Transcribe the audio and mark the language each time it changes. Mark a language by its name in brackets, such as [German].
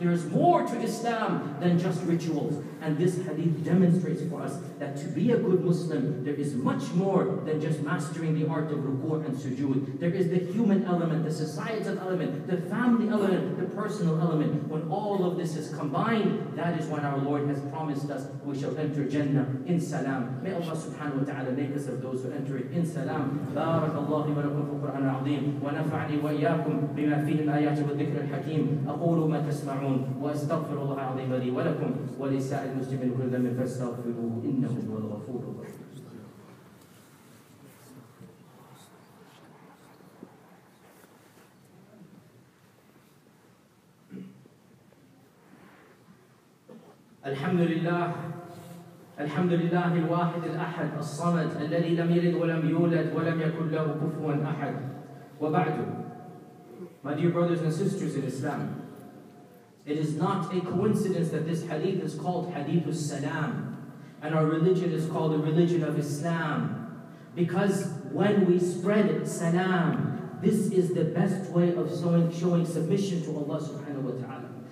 [English] There is more to Islam than just rituals. And this hadith demonstrates for us that to be a good Muslim, there is much more than just mastering the art of ruku' and sujood. There is the human element, the societal element, the family element, the personal element. When all of this is combined, that is when our Lord has promised us we shall enter Jannah in salam. May Allah subhanahu wa ta'ala make us of those who enter it in salam. [Arabic] بارك الله لي ولكم في القرآن العظيم ونفعني وإياكم بما فيه الآيات والذكر الحكيم أقول ما تسمعون وأستغفر الله العظيم لي ولكم ولسائر المسلمين كل ذنب فاستغفروه إنه هو الغفور الرحيم. الحمد لله الحمد لله الواحد الأحد الصمد الذي لم يلد ولم يولد ولم يكن له كفوا أحد وبعد. [English] My dear brothers and sisters in Islam, it is not a coincidence that this hadith is called Hadith al-Salam, and our religion is called the religion of Islam, because when we spread salam, this is the best way of showing submission to Allah subhanahu wa ta'ala.